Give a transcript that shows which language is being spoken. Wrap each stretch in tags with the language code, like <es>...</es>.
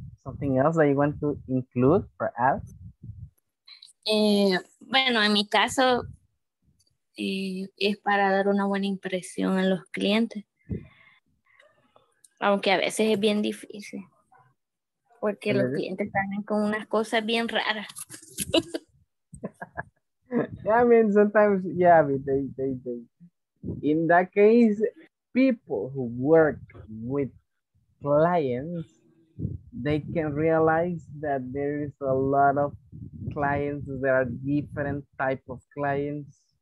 <en>Something else that you want to include for us?</en> <es>Bueno, en mi caso, es para dar una buena impresión a los clientes. Aunque a veces es bien difícil. Porque los clientes están con unas cosas bien raras.</es> <en>Yeah, I mean, sometimes, yeah, I mean, they. In that case, people who work with clients, they can realize that there is a lot of clients, there are different type of clients.</en>